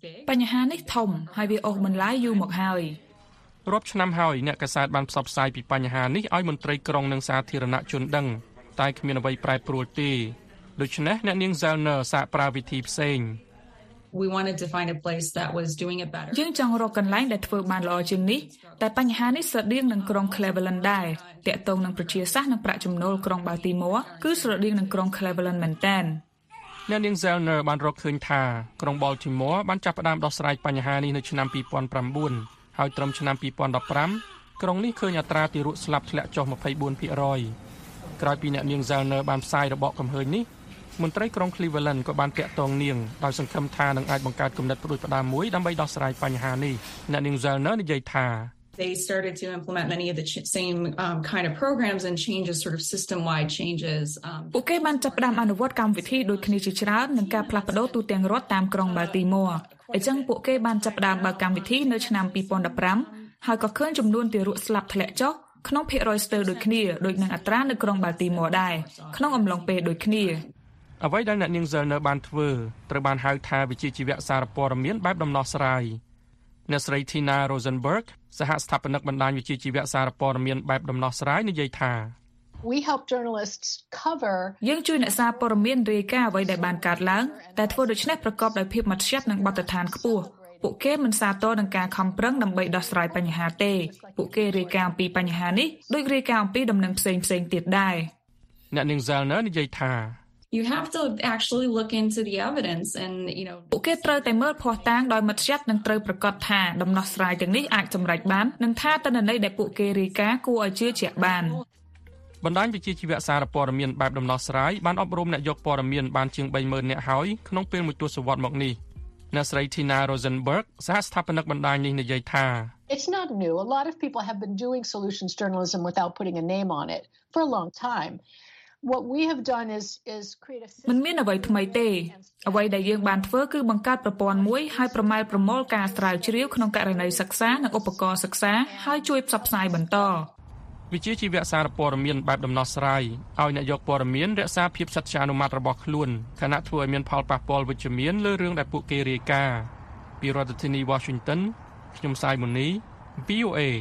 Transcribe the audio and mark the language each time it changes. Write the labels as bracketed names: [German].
[Khmer] បញ្ហានេះធំហើយវាអូសបន្លាយយូរមកហើយ រាប់ឆ្នាំហើយអ្នកកសែតបានផ្សព្វផ្សាយពីបញ្ហានេះឲ្យមន្ត្រីក្រុងនិងសាធារណជនដឹងតែគ្មានអ្វីប្រែប្រួលទេដូច្នេះអ្នកនាង Zelner សាកប្រាវិធីផ្សេង [English] We wanted to find a place that was doing it better. [Khmer] យើងចង់រកកន្លែងដែលធ្វើបានល្អជាងនេះតែបញ្ហានេះស្រដៀងនឹងក្រុង Cleveland ដែរតាក់ទងនឹងប្រជាសាស្ត្រនិងប្រាក់ចំណូលក្រុង Baltimore គឺស្រដៀងនឹងក្រុង Cleveland មែនតើ អ្នកនាង Zelner បានរកឃើញថាក្រុង Baltimore បានចាប់ផ្ដើមដោះស្រាយបញ្ហានេះនៅឆ្នាំ2009ហើយត្រឹមឆ្នាំ2015ក្រុងនេះឃើញអត្រាទារកស្លាប់ធ្លាក់ចុះ 24% ក្រោយពីអ្នកនាង Zelner បានផ្សាយរបកកំហើញនេះមន្ត្រីក្រុង Cleveland ក៏បានតាក់ទងនាងដោយសង្ឃឹមថានឹងអាចបង្កើតគំនិតប្រដូចផ្ដាមមួយដើម្បីដោះស្រាយបញ្ហានេះអ្នកនាង Zelner និយាយថា [English] They started to implement many of the same kind of programs and changes sort of system-wide changes [Khmer] ពួកគេបានចាប់ផ្ដើមអនុវត្តកម្មវិធីដូចគ្នាជាច្រើននឹងការផ្លាស់ប្ដូរទូទាំងរដ្ឋតាមក្រុង Baltimore អញ្ចឹងពួកគេបានចាប់ផ្ដើមបើកកម្មវិធីនៅឆ្នាំ2015ហើយក៏ឃើញចំនួនទារកស្លាប់ធ្លាក់ចុះក្នុងភាគរយស្ទើរដូចគ្នាដូចនឹងអត្រានៅក្រុង Baltimore ដែរក្នុងអំឡុងពេលដូចគ្នា អ្វីដែលអ្នកនាង Zelner បានធ្វើត្រូវបានហៅថាវិជាជីវៈសារព័ត៌មានបែបដំណោះស្រាយអ្នកស្រី Tina Rosenberg សហស្ថាបនិកបណ្ដាញវិជាជីវៈសារព័ត៌មានបែបដំណោះស្រាយនិយាយថា [English] We help journalists cover [Khmer] យើងជួយអ្នកសារព័ត៌មានរាយការណ៍អ្វីដែលបានកើតឡើងតែធ្វើដូច្នេះប្រកបដោយភាពមុតស្ទាត់និងបទដ្ឋានខ្ពស់ពួកគេមិនសារតទៅនឹងការខំប្រឹងដើម្បីដោះស្រាយបញ្ហាទេពួកគេរាយការណ៍អំពីបញ្ហានេះដោយរាយការណ៍អំពីដំណឹងផ្សេងៗទៀតដែរ អ្នកនាង Zelner និយាយថា [English] You have to actually look into the evidence and you know [Khmer] ពួកគេត្រូវតែមើលភស្តុតាងដោយមុតស្ទាត់និងត្រូវប្រកាសថាដំណោះស្រាយទាំងនេះអាចសម្រេចបាននិងថាតើទិន្នន័យដែលពួកគេរាយការណ៍គួរឲ្យជឿជាក់បាន បណ្ដាញវិទ្យាសាស្ត្រសារព័ត៌មានបែបដំណោះស្រាយបានអប់រំអ្នកយកព័ត៌មានបានជាង 30,000 អ្នកហើយក្នុងពេលមួយទសវត្សរ៍មកនេះអ្នកស្រី Tina Rosenberg សាស្ត្រាចារ្យបណ្ដាញនេះនិយាយថា [English] It's not new. A lot of people have been doing solutions journalism without putting a name on it for a long time. What we have done is create a system. [Khmer] មិនមានអ្វីថ្មីទេ។អ្វីដែលយើងបានធ្វើគឺបង្កើតប្រព័ន្ធមួយឲ្យប្រមែប្រមូលការស្រាវជ្រាវក្នុងករណីសិក្សានិងឧបករណ៍សិក្សាឲ្យជួយផ្សព្វផ្សាយបន្ត ។វិជាជីវៈសារព័ត៌មានបែបដំណោះស្រាយឲ្យអ្នកយកព័ត៌មានរក្សាភាពសច្ចានុម័តរបស់ខ្លួនខណៈធ្វើឲ្យមានផលប៉ះពាល់វិជ្ជមានលើរឿងដែលពួកគេរាយការណ៍។ពីរដ្ឋធានី Washington ខ្ញុំសាយមុនី VOA